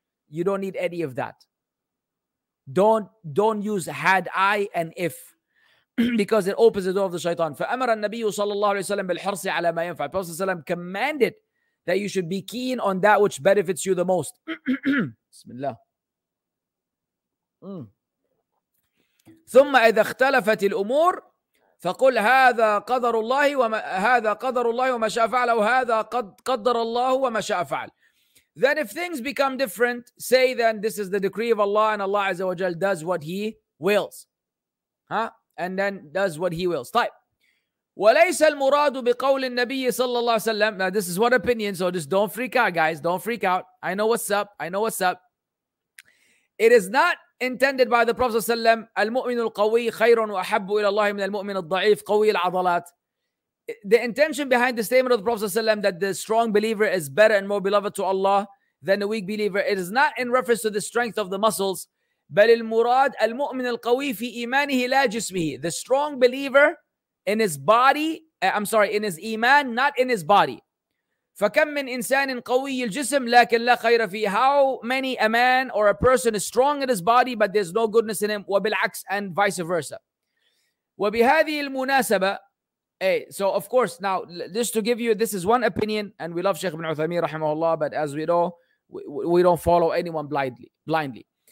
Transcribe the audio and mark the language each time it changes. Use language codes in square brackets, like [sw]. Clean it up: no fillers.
[en] You don't need any of that. Don't use had I and if. Because it opens the door of the shaitan. [ar] فَأَمَرَ النَّبِيُّ صَلَى اللَّهُ عَلَيْهِ وَسَلَّمَ بِالْحِرْصِ عَلَى مَا يَنْفَعَ. [en] Prophet ﷺ commanded that you should be keen on that which benefits you the most. Bismillah. [ar] ثم إذا اختلفت الأمور فقل هذا قدر الله وما هذا قدر الله وما شاء فعل أو هذا قدر الله وما شاء فعل. [en] Then if things become different, say then this is the decree of Allah and Allah عز وجل does what He wills. Huh? And then does what He wills. [ar] طيب. وليس المراد بقول النبي صلى الله عليه وسلم. [en] Now this is one opinion, so just don't freak out, guys. Don't freak out. I know what's up. I know what's up. It is not intended by the Prophet صلى الله عليه وسلم. [ar] المؤمن القوي خير وأحب إلى الله من المؤمن الضعيف قوي العضلات. [en] The intention behind the statement of the Prophet صلى الله عليه وسلم that the strong believer is better and more beloved to Allah than the weak believer, it is not in reference to the strength of the muscles. [ar] بل المراد المؤمن القوي في إيمانه لا جسمه. [en] The strong believer in his body, I'm sorry, in his iman, not in his body. [ar] فكم من إنسان قوي الجسم لكن لا خير فيه. [en] How many a man or a person is strong in his body but there's no goodness in him, [ar] وبالعكس [en] and vice versa. [ar] وبهذه المناسبة. [en] Hey, so of course, now just to give you, this is one opinion, and we love Sheikh Ibn Uthaymeen rahimahullah, but as we know, we don't follow anyone blindly.